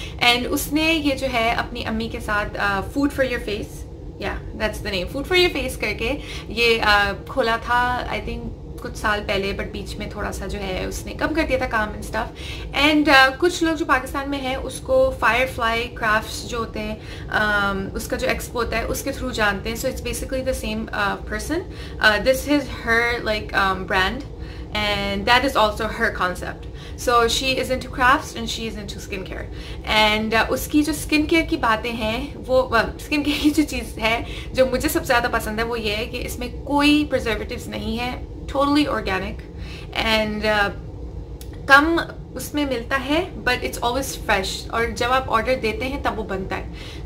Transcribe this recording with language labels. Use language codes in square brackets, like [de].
[hi] And उसने ये जो है अपनी अम्मी के साथ फूड फॉर योर फेस, या that's the name, food for your face करके ये खोला था [en] I think [hi] कुछ साल पहले, बट बीच में थोड़ा सा जो है उसने कम कर दिया था काम एंड स्टफ. एंड कुछ लोग जो पाकिस्तान में हैं उसको फायर फ्लाई क्राफ्ट्स जो होते हैं उसका जो एक्सपो होता है उसके थ्रू जानते हैं. [en] So it's basically the same person, this is her like brand and that is also her concept. So she is into crafts and she is into skincare. [hi] And उसकी जो स्किन केयर की बातें हैं वो skin care की जो चीज़ है जो मुझे सबसे ज़्यादा पसंद है वो ये है कि इसमें कोई प्रिजर्वेटिव्स नहीं है, टोटली ऑर्गेनिक एंड कम उसमें मिलता है, [en] but it's always fresh [hi] और जब आप ऑर्डर देते हैं तब वो बनता है.